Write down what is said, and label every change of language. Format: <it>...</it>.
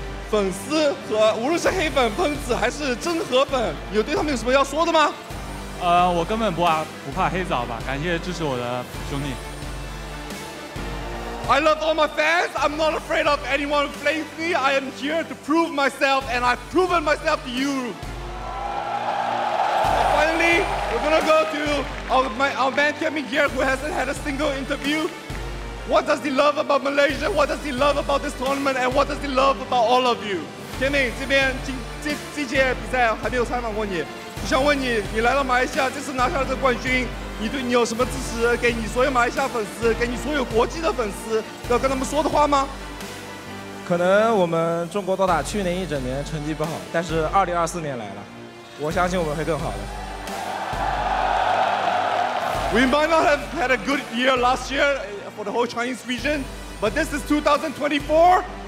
<zh>粉丝和无论是黑粉、喷子还是真河粉，有对他们有什么要说的吗？我根本不怕黑枣吧，感谢支持我的兄弟。</zh> <en>I love all my fans. I'm not afraid of anyone who plays me. I am here to prove myself, and I've proven myself to you. And finally, we're gonna go to our man coming here who hasn't had a single interview. What does he love about Malaysia? What does he love about this tournament? And what does he love about all of you?</en> <zh>Kimmy, 这边这届比赛还没有采访过你，就想问你，你来到马来西亚，这次拿下了这个冠军。你有什么支持给你所有马来西亚粉丝，给你所有国际的粉丝要跟他们说的话吗？可能我们中国dota去年一整年成绩不好，但是2024年来了，我相信我们会更好的。</zh> <en>We might not have had a good year last year for the whole Chinese region, but this is 2024.</en>